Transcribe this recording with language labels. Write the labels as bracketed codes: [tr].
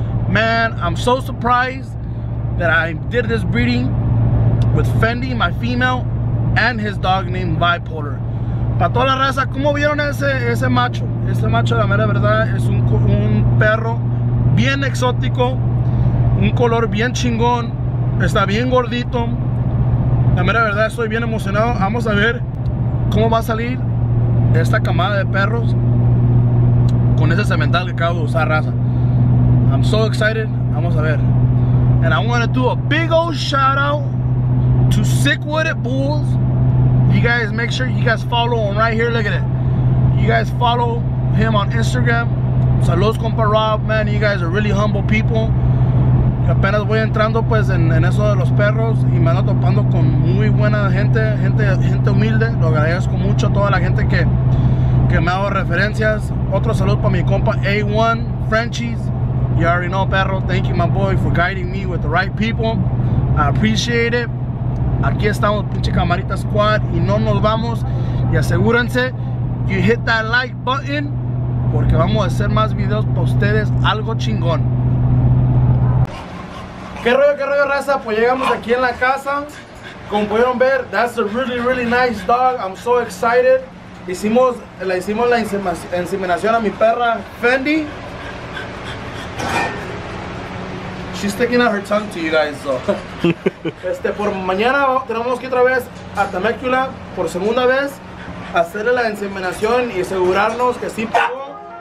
[en] Man, I'm so surprised that I did this breeding with Fendi, my female, and his dog named Bipolar. [es] Para toda la raza, ¿cómo vieron ese macho? Ese macho, la mera verdad, es un perro bien exótico, un color bien chingón, está bien gordito. La mera verdad, estoy bien emocionado. Vamos a ver cómo va a salir esta camada de perros con ese semental que acabo de usar, raza. [en] I'm so excited. [es] Vamos a ver. [en] And I want to do a big old shout out to Sickwooded Bulls. You guys make sure you guys follow him right here. Look at it. You guys follow him on Instagram. [es] Saludos, compa Rob, [en] man. You guys are really humble people. [es] Apenas voy entrando pues en eso de los perros y me ando topando con muy buena gente, gente humilde. Lo agradezco mucho a toda la gente que me ha dado referencias. Otro saludo para mi compa A1 Frenchies. [en] You already know, [es] perro. [en] Thank you, my boy, for guiding me with the right people. I appreciate it. [es] Aquí estamos, pinche camarita squad, y no nos vamos. Y asegúrense, [en] you hit that like button, [es] porque vamos a hacer más videos para ustedes, algo chingón. Qué rollo, raza? Pues llegamos aquí en la casa. Como pudieron ver, [en] that's a really, really nice dog. I'm so excited. [es] Hicimos la inseminación a mi perra, Fendi. [en] She's sticking out her tongue to you guys, so. [es] por mañana tenemos que otra vez a Temecula por segunda vez hacerle la inseminación y asegurarnos que sí pegó.